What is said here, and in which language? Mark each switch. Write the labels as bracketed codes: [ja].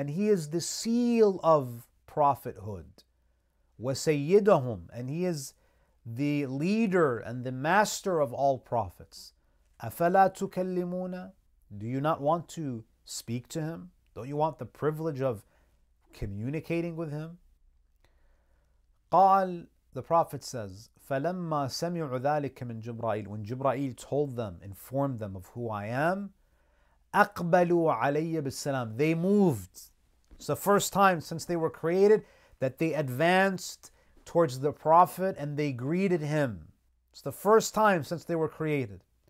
[en] And he is the seal of prophethood. [ar] وَسَيِّدَهُمْ. [en] And he is the leader and the master of all prophets. [ar] أَفَلَا تُكَلِّمُونَ. [en] Do you not want to speak to him? Don't you want the privilege of communicating with him? [ar] قال, [en] the Prophet says, [ar] فَلَمَّا سَمِعُوا ذَلِكَ مِنْ جِبْرَائِيلِ. [en] When Jibra'il told them, informed them of who I am, [ar] أَقْبَلُوا عَلَيَّ بِالسَّلَامِ. [en] They moved. It's the first time since they were created that they advanced towards the Prophet and they greeted him. It's the first time since they were created.